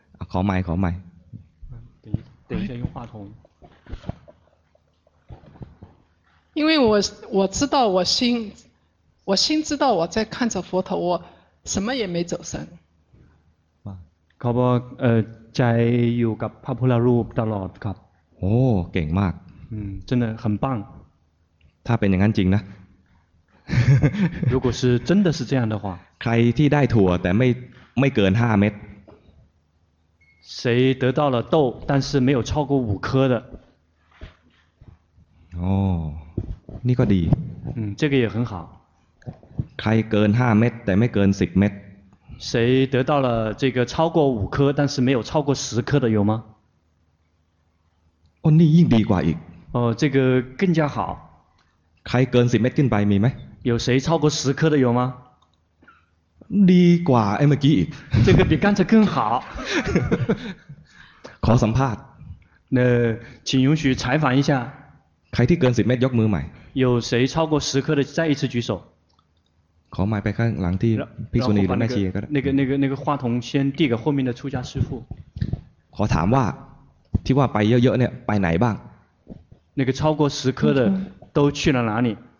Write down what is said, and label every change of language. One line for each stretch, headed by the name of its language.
Thai: ขอไมค์ขอไม
Chinese: ค์等一下用话筒因为我知道我心知道我在看着佛陀我什么也没走神
Thai: ขอบอกใจอยู่กับพระพุทธรูปตลอดครับ โอ้เก่งมาก
Chinese: 真的很棒
Thai: ถ้าเป็นอย่างนั้นจริงนะ
Chinese: 如果是真的是这样的话
Thai: ใครที่ได้ถั่วแต่ไม่เกิน5เม็ด
Chinese: 谁得到了豆但是没有超过5颗的
Thai: โอ้นี่ก็ดี
Chinese: 这个也很好
Thai: ใครเกิน5เม็ดแต่ไม่เกิน10เม็ด
Chinese: 谁得到了这个超过5颗但是没有超过10颗的有吗
Thai: 哦นี่ยิ่งดีกว่าอีก
Chinese: 哦这个更加好
Thai: ใครเกิน10เม็ดขึ้นไปมีไหม
Chinese: 有谁超过10颗的有吗
Thai: ดีกว่าไอ้เมื่อกี้อีก
Chinese: 这个比刚才更好
Thai: ขอสัมภาษณ์
Chinese: 那请允许采访一下
Thai: ใครที่เกิน10เม็ดยกมือใหม่
Chinese: 有谁超过10颗的再一次举手
Thai: ขอไมค์ไปข้างหลังที่ภิกษุณีและแม่ชีก็ได้
Chinese: 那个话筒先递给后面的出家师父
Thai: ขอถามว่าที่ว่าไปเยอะๆเนี่ยไปไหนบ้าง
Chinese: 那个超过十颗的都去了哪里